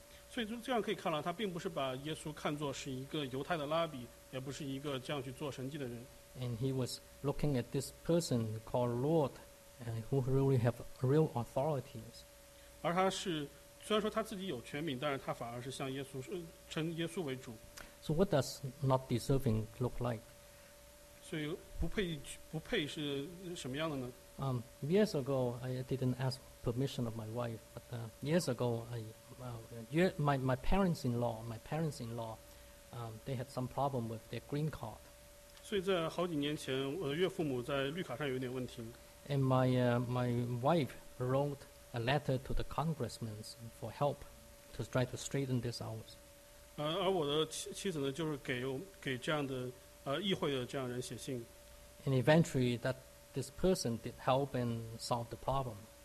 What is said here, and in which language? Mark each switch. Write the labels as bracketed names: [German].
[Chinese] 所以这样可以看了, 他并不是把耶稣看作是一个犹太的拉比, 也不是一个这样去做神迹的人。 [English] And he was looking at this person called Lord, who really have real authorities. [Chinese] 而他是, 虽然说他自己有权柄, 但是他反而是向耶稣, 称耶稣为主。 [English] So what does not deserving look like? [Chinese] 所以不配是什么样的呢? [English] Years ago, I didn't ask permission of my wife, but years ago, my parents-in-law, they had some problem with their green card. [Chinese] 所以在好几年前, 我的岳父母在绿卡上有点问题。 [English] And my wife wrote a letter to the congressmen for help to try to straighten this out. [Chinese] 而我的妻子呢，就是给这样的议会的这样人写信。 [English] And eventually, that this person did help and solve the problem.